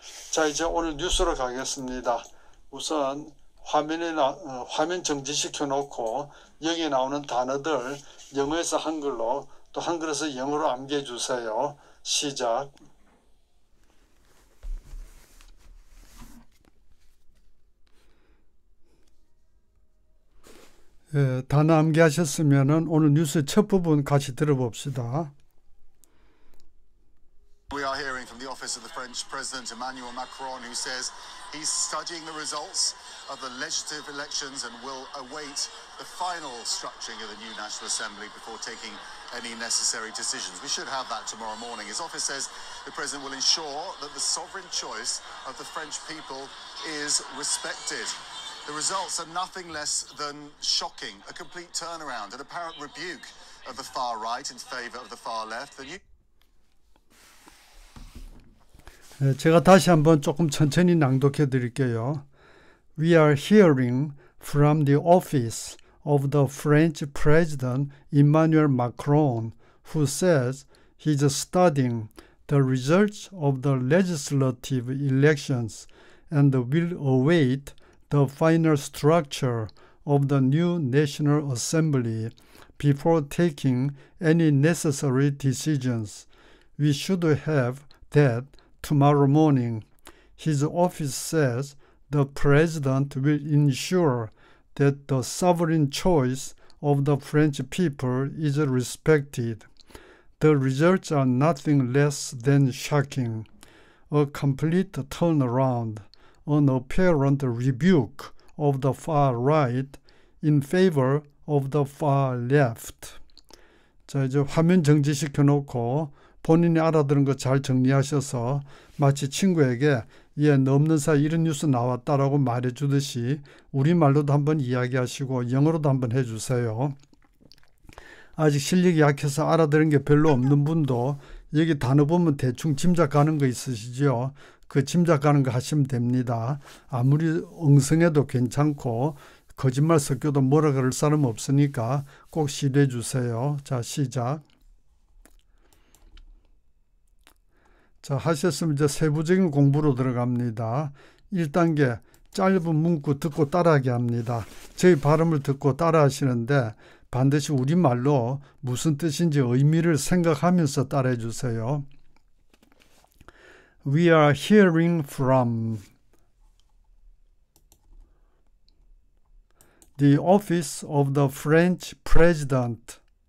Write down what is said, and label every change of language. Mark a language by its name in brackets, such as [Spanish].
[Korean] 자, 이제 오늘 뉴스로 가겠습니다. 우선 화면 정지시켜 놓고 여기 나오는 단어들 영어에서 한글로 또 한글에서 영어로 암기해 주세요. 시작. 예, 단어 암기하셨으면은 오늘 뉴스 첫 부분 같이 들어봅시다. [English] We are hearing from the office of the French President Emmanuel Macron, who says he's studying the results of the legislative elections and will await the final structuring of the new National Assembly before taking any necessary decisions. We should have that tomorrow morning. His office says the President will ensure that the sovereign choice of the French people is respected. The results are nothing less than shocking, a complete turnaround, an apparent rebuke of the far right in favor of the far left. The new [Korean] 제가 다시 한번 조금 천천히 낭독해 드릴게요. [English] We are hearing from the office of the French President Emmanuel Macron, who says he's studying the results of the legislative elections and will await the final structure of the new National Assembly before taking any necessary decisions. We should have that tomorrow morning. His office says the president will ensure that the sovereign choice of the French people is respected. The results are nothing less than shocking, a complete turnaround, an apparent rebuke of the far right in favor of the far left. [Korean] 자, 이제 화면 정지시켜 놓고 본인이 알아들은 거잘 정리하셔서 마치 친구에게 얘너 없는 사이 이런 뉴스 나왔다라고 말해주듯이 우리말로도 한번 이야기하시고 영어로도 한번 해주세요. 아직 실력이 약해서 알아들은 게 별로 없는 분도 여기 단어 보면 대충 짐작하는 거 있으시죠? 그 짐작하는 거 하시면 됩니다. 아무리 엉성해도 괜찮고 거짓말 섞여도 뭐라 그럴 사람 없으니까 꼭 시도해 주세요. 자, 시작. 자, 하셨으면 이제 세부적인 공부로 들어갑니다. 1단계, 짧은 문구 듣고 따라하게 합니다. 저희 발음을 듣고 따라하시는데 반드시 우리말로 무슨 뜻인지 의미를 생각하면서 따라해 주세요. [English] We are hearing from the office of the French president.